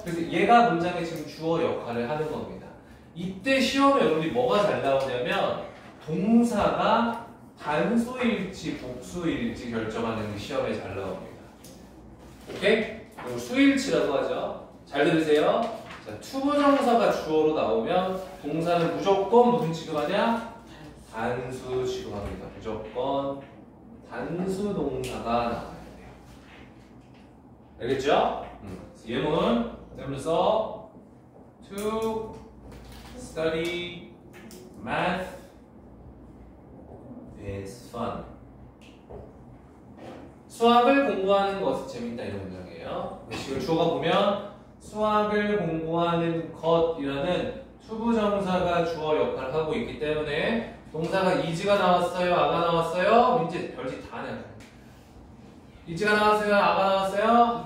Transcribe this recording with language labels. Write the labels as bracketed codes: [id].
[ko] 그래서 얘가 문장의 지금 주어 역할을 하는 겁니다. 이때 시험에 여러분들이 뭐가 잘 나오냐면 동사가 단수일지 복수일지 결정하는 게 시험에 잘 나옵니다. 오케이? 수일치라고 하죠. 잘 들으세요. 자, 투부정사가 주어로 나오면 동사는 무조건 무슨 취급하냐? 단수 취급합니다. 무조건 단수 동사가 나와야 돼요. 알겠죠? 예문 그러면서 [en] to study math is fun. [ko] 수학을 공부하는 것이 재밌다 이런 문장이에요. 지금 주어가 보면 수학을 공부하는 것이라는 투부정사가 주어 역할을 하고 있기 때문에 동사가 is가 나왔어요, 아가 나왔어요? 이제 별짓 다 하는 is가 나왔어요, 아가 나왔어요?